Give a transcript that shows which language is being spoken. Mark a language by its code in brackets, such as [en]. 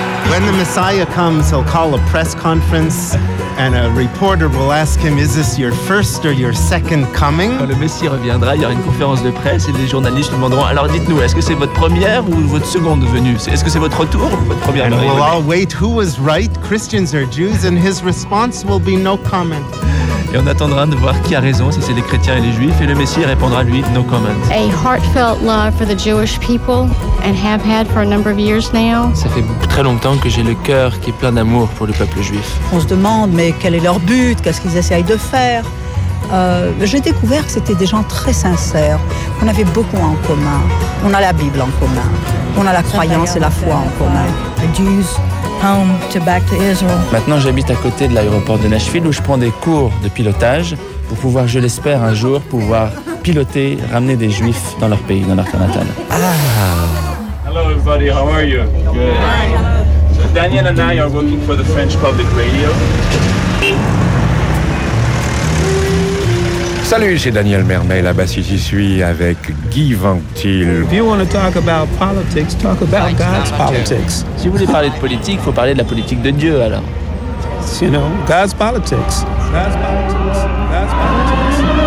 [en] When the Messiah comes, he'll call a press conference and a reporter will ask him, is this your first or your second coming? [fr] Quand le Messie reviendra, il y aura une conférence de presse et les journalistes demanderont, alors dites-nous, est-ce que c'est votre première ou votre seconde venue? Est-ce que c'est votre retour ou votre première venue? [en] And we'll all wait, who was right, Christians or Jews? And his response will be no comment. [fr] Et on attendra de voir qui a raison, si c'est les chrétiens et les juifs, et le Messie répondra lui, [en] no comment. A heartfelt love for the Jewish people and have had for a number of years now. [fr] Ça fait très longtemps que j'ai le cœur qui est plein d'amour pour le peuple juif. On se demande, mais quel est leur but, qu'est-ce qu'ils essayent de faire? J'ai découvert que c'était des gens très sincères, qu'on avait beaucoup en commun. On a la Bible en commun, on a la croyance et la foi en commun. Maintenant, j'habite à côté de l'aéroport de Nashville où je prends des cours de pilotage pour pouvoir, je l'espère, un jour, pouvoir piloter, ramener des Juifs dans leur pays, dans leur terre natale. Ah. [en] Hello everybody, how are you? Good. So Daniel and I are working for the French Public Radio. [fr] Salut, c'est Daniel Mermet, là-bas si j'y suis, avec Guy Van Til. [en] If you want to talk about politics, talk about God's politics. [fr] Si vous voulez parler de politique, il faut parler de la politique de Dieu, alors. [en] You know, God's politics. God's politics. God's politics.